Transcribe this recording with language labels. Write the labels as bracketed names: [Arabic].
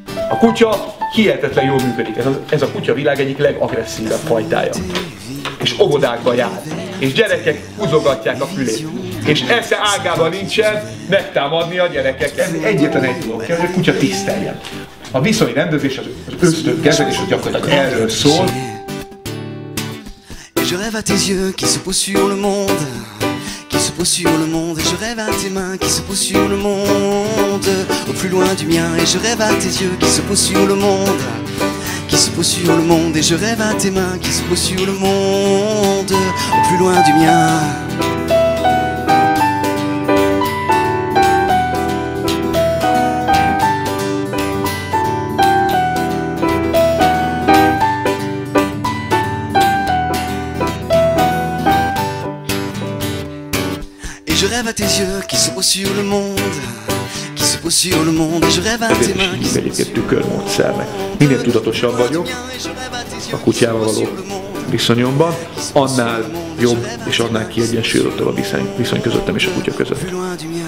[Hungarian] A kutya hihetetlen jól működik. Ez a kutya világ egyik legagresszívebb fajtája. És óvodákba jár. És gyerekek húzogatják a fülét. És esze ágában nincsen megtámadni a gyerekeket. Ez egyetlen egy dolog kell, hogy a kutya tiszteljen. A viszonyi rendezés az ösztön kezelés, hogy gyakorlatilag erről szól. [French] Je rêve à tes yeux qui se posent sur le monde, qui se posent sur le monde, et je rêve à tes mains qui se posent sur le monde, au plus loin du mien, et je rêve à tes yeux qui se posent sur le monde, qui se posent sur le monde, et je rêve à tes mains qui se posent sur le monde, au plus loin du mien. Je rêve à tes yeux qui se posent sur le monde, qui se posent sur le monde. Je rêve à tes mains qui se posent sur le monde. [Hungarian] Minél tudatosabb vagyok a kutyával való viszonyomban, annál jobb és annál kiegyensúlyozottabb a viszony közöttem és a kutya között.